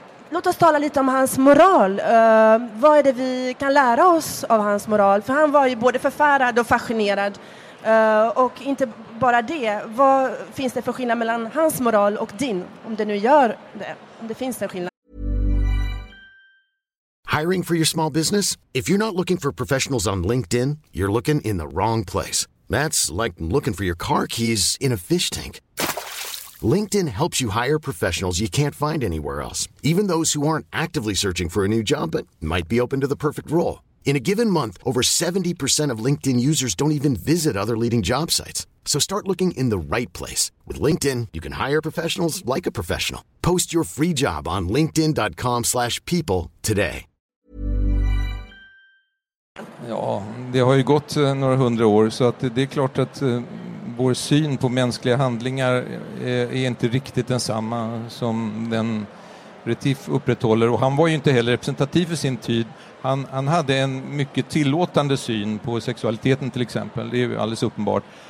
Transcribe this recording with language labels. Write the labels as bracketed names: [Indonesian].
[Swedish] Låt oss tala lite om hans moral. Vad är det vi kan lära oss av hans moral? För han var ju både förfärad och fascinerad. Och inte bara det, vad finns det för skillnad mellan hans moral och din, om det nu gör det, om det finns en skillnad? [English] Hiring for your small business? If you're not looking for professionals on LinkedIn, you're looking in the wrong place. That's like looking for your car keys in a fish tank. LinkedIn helps you hire professionals you can't find anywhere else, even those who aren't actively searching for a new job but might be open to the perfect role. In a given month, over 70% of LinkedIn users don't even visit other leading job sites. So start looking in the right place. With LinkedIn, you can hire professionals like a professional. Post your free job on linkedin.com/people today. [Swedish] Ja, det har ju gått några hundra år, så att det är klart att vår syn på mänskliga handlingar är inte riktigt densamma som den Retief upprätthåller. Och han var ju inte heller representativ för sin tid. Han hade en mycket tillåtande syn på sexualiteten till exempel, det är ju alldeles uppenbart.